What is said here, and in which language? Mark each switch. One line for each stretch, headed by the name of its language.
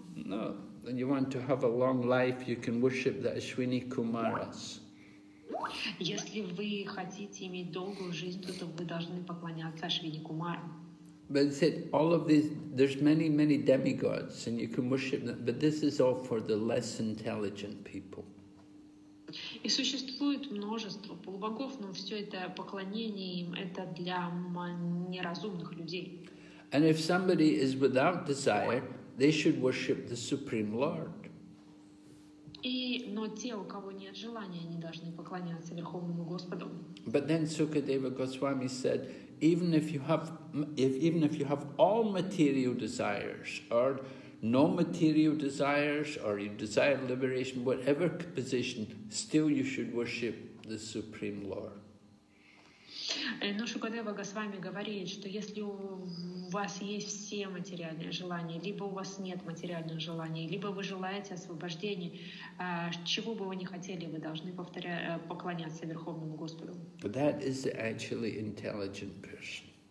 English: No, and you want to have a long life, you can worship the Ashwini Kumaras.
Russian: Если вы хотите иметь долгую жизнь, то вы должны поклоняться Ашвини Кумару.
English: But he said, all of these, there's many, many demigods, and you can worship them, but this is all for the less intelligent people.
Russian: И существует множество полубогов, но все это поклонение им, это для неразумных людей.
English: And if somebody is without desire, they should worship the Supreme Lord.
Russian: Но те, у кого нет желания, они должны поклоняться Верховному Господу.
English: But then Sukadeva Goswami said, even if you have all material desires, or no material desires, or you desire liberation, whatever position, still you should worship the Supreme Lord.
Russian: Но Шукадева Госвами говорит, что если у вас есть все материальные желания, либо у вас нет материальных желаний, либо вы желаете освобождения, чего бы вы ни хотели, вы должны поклоняться Верховному Господу.
English: But that is actually intelligent person.